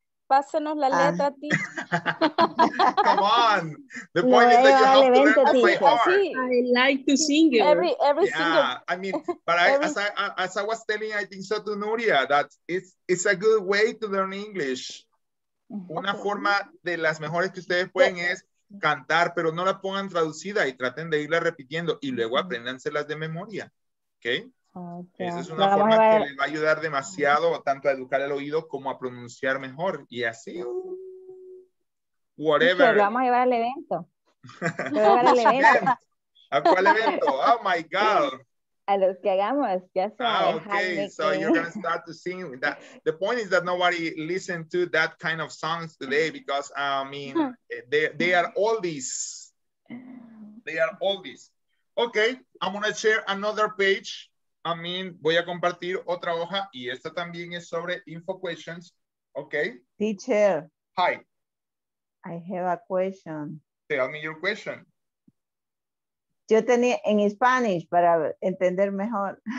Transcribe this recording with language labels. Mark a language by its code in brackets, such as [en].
[es] Pásanos la letra, tío. [en] Come on. The point is that you have to learn to play hard. I like to sing it. Every yeah, single. Yeah, I mean, but as I was telling, I think so to Nuria, that it's a good way to learn English. [es] Una forma de las mejores que ustedes pueden es cantar, pero no la pongan traducida y traten de irla repitiendo y luego apréndanselas de memoria. [en] Okay. Okay. [es] Esa es una forma que le va a ayudar demasiado tanto a educar el oído como a pronunciar mejor y así whatever. Lo vamos a llevar al evento. ¿A cuál evento? [en] Oh my God. [es] A los que hagamos, ya sabes. [en] Ah, okay, so you're gonna start to sing that. The point is that nobody listened to that kind of songs today because I mean they are all these. Okay, I'm gonna share another page. I mean, [es] voy a compartir otra hoja y esta también es sobre info questions. [en] Okay. Teacher. Hi. I have a question. Tell me your question. [es] Yo tenía en Spanish para entender mejor.